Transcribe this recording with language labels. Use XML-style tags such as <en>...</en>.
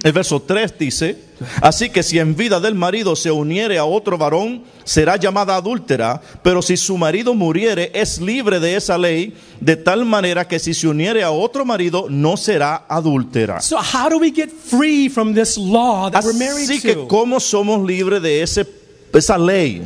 <es>El verso 3 dice, así que si en vida del marido se uniere a otro varón, será llamada adúltera, pero si su marido muriere, es libre de esa ley, de tal manera que si se uniere a otro marido, no será adúltera.</es> <en>So how do we get free from this law that we're married to?</en> <es>Así que ¿cómo somos libres de ese esa ley?</es>